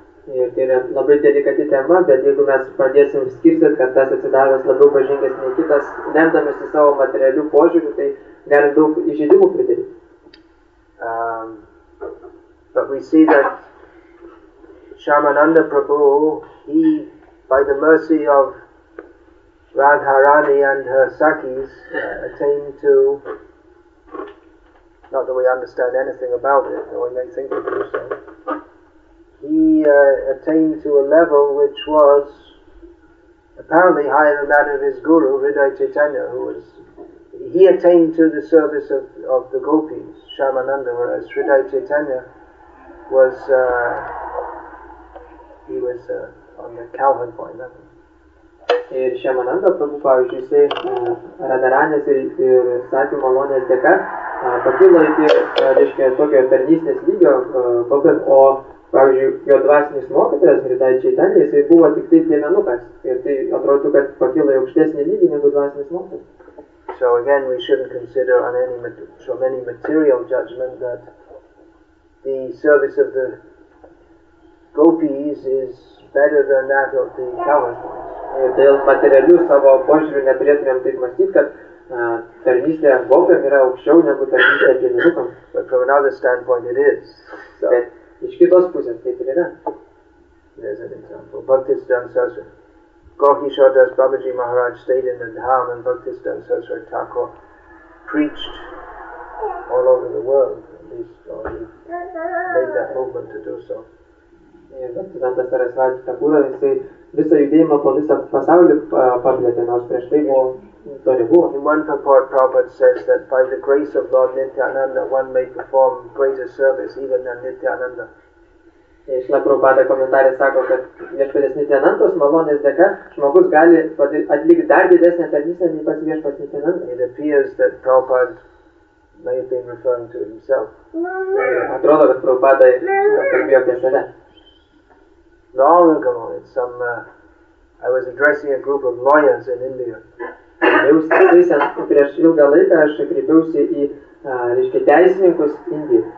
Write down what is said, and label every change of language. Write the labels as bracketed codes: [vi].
[lt] Ir tai yra labai delikati tema, bet jeigu mes pradėsim skirstyti, kad tas atsidavęs labiau pažengęs nei kitas, remdamasi savo materialių požiūrių, tai gali daug įžeidimų pridaryti. [en] But we see that Shyamananda Prabhu, he, by the mercy of Radharani and her sakis, attained to, not that we understand anything about it, or we may think of it so, he attained to a level which was apparently higher than that of his guru, Hriday Chaitanya, who was, he attained to the service of the gopis, Shyamananda, whereas Hriday Chaitanya was, he was on the cowherd point level. [lt] Ir Shyamananda, pavyzdžiui, jisai Radharanės ir sakių malonės dėka pakilo iki, reiškia, tokio tarnystės lygio, o pavyzdžiui, jo dvasinis mokytojas, Hriday Chaitanya, jisai buvo tik tai piemenukas. Ir tai atrodo, kad pakilo į aukštesnį lygį negu dvasinis mokytojas. [en] So again, we shouldn't consider on any, from any material judgment that the service of the gopis is better than that of the cowherd. [lt] Dėl materialių savo požiūrių neturėtumėm taip mąstyti, kad tarnystė gopėm yra aukščiau negu tarnystė piemenukam. [en] But from another standpoint it is. So. [lt] Bet iš kitos pusės taip ir yra. [en] There's an example. Bhaktisiddhanta Sarasvati. Gaukishodas Babaji Maharaj stayed in the dham and Bhaktisiddhanta Sarasvati Thakur preached all over the world. At least, or he made that movement to do so. [lt] Bhaktisiddhanta Sarasvati Thakur, jisai visą judėjimą po visą pasaulį paplėtė, nors prieš tai buvo to nebuvo. [en] In one purport, Prabhupada says that by the grace of Lord Nityananda, one may perform greater service even than Nityananda. [lt] Šla Prabhupada komentarė sako, kad viešpaties Nityanandos malonės dėka žmogus gali atlikti dar didesnę tarnystę nei pats viešpats Nityananda. [en] It appears that Prabhupada may have been referring to himself. [lt] Atrodo, kad Prabhupada kalbėjo apie save. [en] Long ago, I was addressing a group of lawyers in India. [lt] Prieš ilgą laiką aš kreipiausi į, reiškia, teisininkus Indijoje.